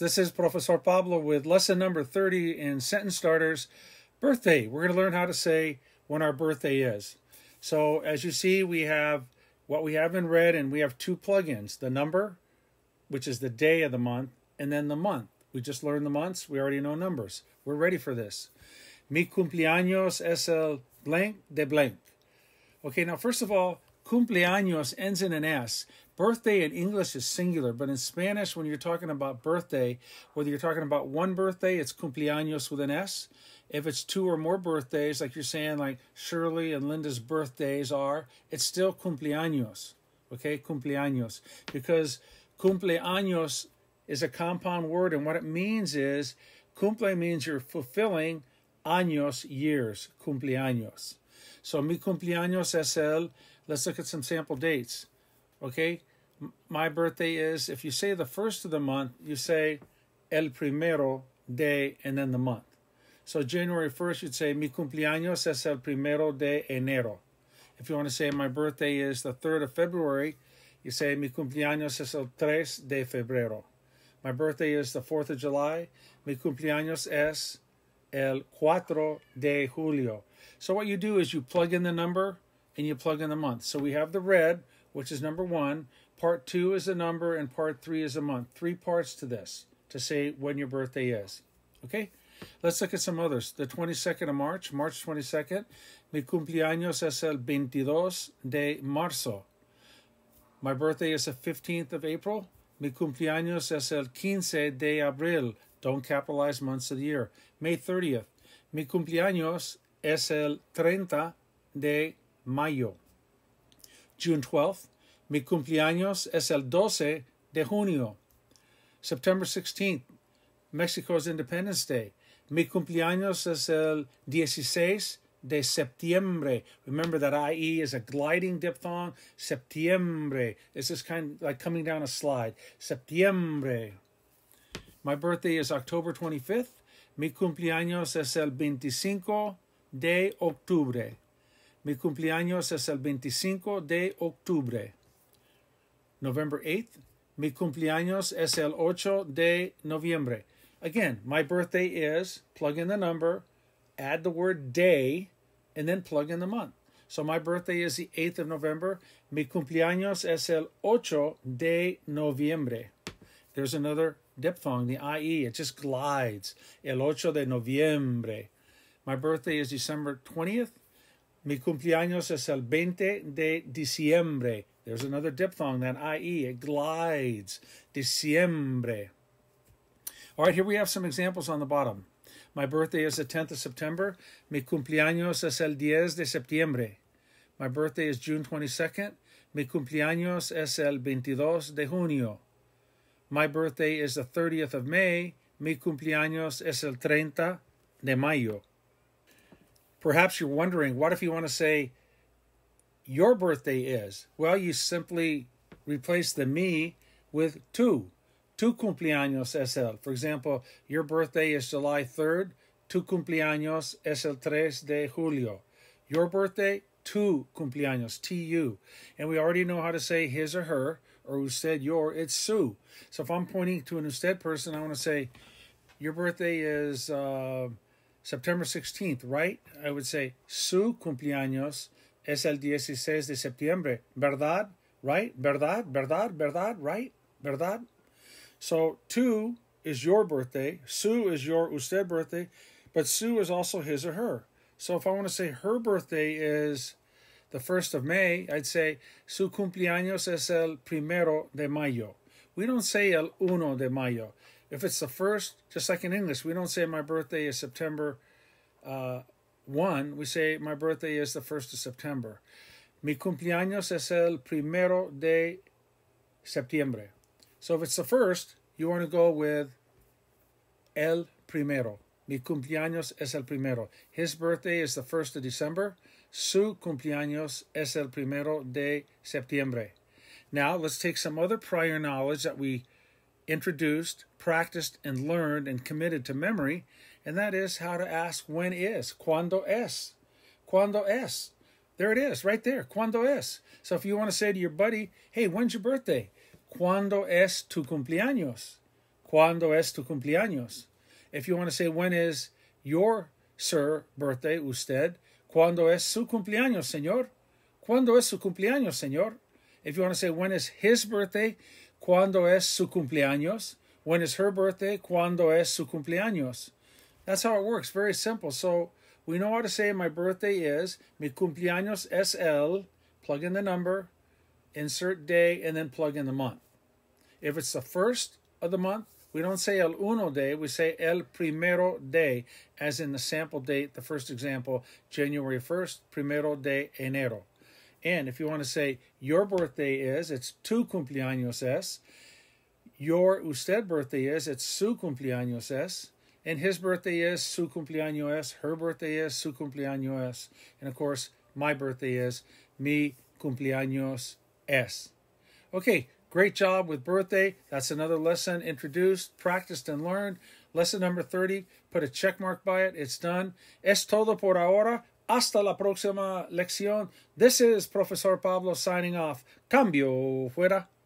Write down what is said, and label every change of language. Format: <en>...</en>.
<en>This is Profesor Pablo with lesson number 30 in sentence starters, birthday. We're going to learn how to say when our birthday is. So as you see, we have what we have in red, and we have two plugins, the number, which is the day of the month, and then the month. We just learned the months. We already know numbers. We're ready for this.</en> <es>Mi cumpleaños es el blank de blank.</es> <en>Okay, now first of all, cumpleaños ends in an S. Birthday in English is singular, but in Spanish, when you're talking about birthday, whether you're talking about one birthday, it's cumpleaños with an S. If it's two or more birthdays, like you're saying, like Shirley and Linda's birthdays are, it's still cumpleaños, okay? Cumpleaños, because cumpleaños is a compound word, and what it means is, cumple means you're fulfilling años, years, cumpleaños. So</en> <es>mi cumpleaños es el,</es> <en>let's look at some sample dates. Okay, my birthday is, if you say the first of the month, you say</en> <es>el primero</es> <en>day and then the month. So January 1st, you'd say</en> <es>mi cumpleaños es el primero de enero.</es> <en>If you want to say my birthday is the 3rd of February, you say</en> <es>mi cumpleaños es el 3 de febrero.</es> <en>My birthday is the 4th of July.</en> <es>Mi cumpleaños es el 4 de julio.</es> <en>So what you do is you plug in the number and you plug in the month. So we have the red, which is number one. Part two is a number, and part three is a month. Three parts to this to say when your birthday is. Okay? Let's look at some others. The 22nd of March, March 22nd.</en> <es>Mi cumpleaños es el 22 de marzo.</es> <en>My birthday is the 15th of April.</en> <es>Mi cumpleaños es el 15 de abril.</es> <en>Don't capitalize months of the year. May 30th.</en> <es>Mi cumpleaños es el 30 de mayo.</es> <en>June 12th,</en> <es>mi cumpleaños es el 12 de junio.</es> <en>September 16th, Mexico's Independence Day.</en> <es>Mi cumpleaños es el 16 de septiembre.</es> <en>Remember that IE is a gliding diphthong. Septiembre is just kind of like coming down a slide. Septiembre. My birthday is October 25th.</en> <es>Mi cumpleaños es el 25 de octubre. Mi cumpleaños es el 25 de octubre.</es> <en>November 8th.</en> <es>Mi cumpleaños es el 8 de noviembre.</es> <en>Again, my birthday is, plug in the number, add the word day, and then plug in the month. So my birthday is the 8th of November.</en> <es>Mi cumpleaños es el 8 de noviembre.</es> <en>There's another diphthong, the IE. It just glides.</en> <es>El 8 de noviembre.</es> <en>My birthday is December 20th.</en> <es>Mi cumpleaños es el 20 de diciembre.</es> <en>There's another diphthong, that IE, it glides. Diciembre. All right, here we have some examples on the bottom. My birthday is the 10th of September.</en> <es>Mi cumpleaños es el 10 de septiembre.</es> <en>My birthday is June 22nd.</en> <es>Mi cumpleaños es el 22 de junio.</es> <en>My birthday is the 30th of May.</en> <es>Mi cumpleaños es el 30 de mayo.</es> <en>Perhaps you're wondering, what if you want to say your birthday is? Well, you simply replace the mi with tu.</en> <es>Tu cumpleaños es el.</es> <en>For example, your birthday is July 3rd.</en> <es>Tu cumpleaños es el 3 de julio.</es> <en>Your birthday, tu cumpleaños, T-U. And we already know how to say his or her, or who said your, it's su. So if I'm pointing to an usted person, I want to say your birthday is September 16th, right? I would say,</en> <es>su cumpleaños es el 16 de septiembre. ¿Verdad?</es> <en>Right?</en> <es>¿Verdad? ¿Verdad? ¿Verdad? Right? ¿Verdad?</es> <en>So, tu is your birthday. Su is your usted birthday. But su is also his or her. So, if I want to say her birthday is the 1st of May, I'd say,</en> <es>su cumpleaños es el primero de mayo.</es> <en>We don't say</en> <es>el uno de mayo.</es> <en>If it's the first, just like in English, we don't say my birthday is September 1. We say my birthday is the 1st of September.</en> <es>Mi cumpleaños es el primero de septiembre.</es> <en>So if it's the first, you want to go with</en> <es>el primero. Mi cumpleaños es el primero.</es> <en>His birthday is the 1st of December.</en> <es>Su cumpleaños es el primero de septiembre.</es> <en>Now let's take some other prior knowledge that we introduced, practiced, and learned, and committed to memory, and that is how to ask when is.</en> <es>¿Cuándo es? ¿Cuándo es?</es> <en>There it is, right there.</en> <es>¿Cuándo es?</es> <en>So if you want to say to your buddy, hey, when's your birthday?</en> <es>¿Cuándo es tu cumpleaños? ¿Cuándo es tu cumpleaños?</es> <en>If you want to say, when is your, sir, birthday,</en> <es>usted? ¿Cuándo es su cumpleaños, señor? ¿Cuándo es su cumpleaños, señor?</es> <en>If you want to say, when is his birthday?</en> <es>¿Cuándo es su cumpleaños?</es> <en>When is her birthday?</en> <es>¿Cuándo es su cumpleaños?</es> <en>That's how it works. Very simple. So we know how to say my birthday is,</en> <es>mi cumpleaños es el,</es> <en>plug in the number, insert day, and then plug in the month. If it's the first of the month, we don't say el uno day, we say el primero day, as in the sample date, the first example, January 1st,</en> <es>primero de enero.</es> <en>And if you want to say your birthday is, it's</en> <es>tu cumpleaños es,</es> <en>your usted birthday is, it's</en> <es>su cumpleaños es,</es> <en>and his birthday is su cumpleaños es, her birthday is su cumpleaños es, and of course, my birthday is</en> <es>mi cumpleaños es.</es> <en>Okay, great job with birthday. That's another lesson introduced, practiced, and learned. Lesson number 30, put a check mark by it. It's done.</en> <es>Es todo por ahora. Hasta la próxima lección.</es> <en>This is Profesor Pablo signing off.</en> <es>Cambio fuera.</es>